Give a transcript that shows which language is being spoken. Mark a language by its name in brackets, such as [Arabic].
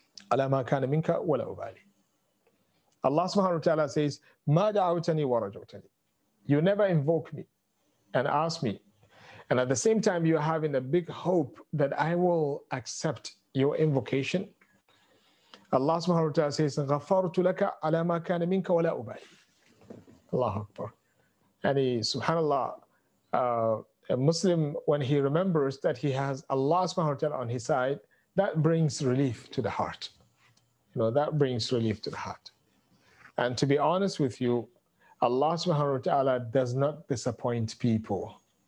[Arabic] Ala ma kana minka wala ubali. Allah subhanahu wa ta'ala says, مَا دَعَوْتَنِي وَرَجَوْتَنِي. [English] You never invoke me and ask me. And at the same time, you're having a big hope that I will accept your invocation. [Arabic] Allah subhanahu wa ta'ala says, غَفَرْتُ لَكَ عَلَى مَا كَانَ مِنْكَ وَلَا أُبَعِي. Allahu Akbar. [English] And subhanAllah, a Muslim, when he remembers that he has Allah subhanahu wa ta'ala on his side, that brings relief to the heart. That brings relief to the heart. And to be honest with you, Allah subhanahu wa ta'ala does not disappoint people.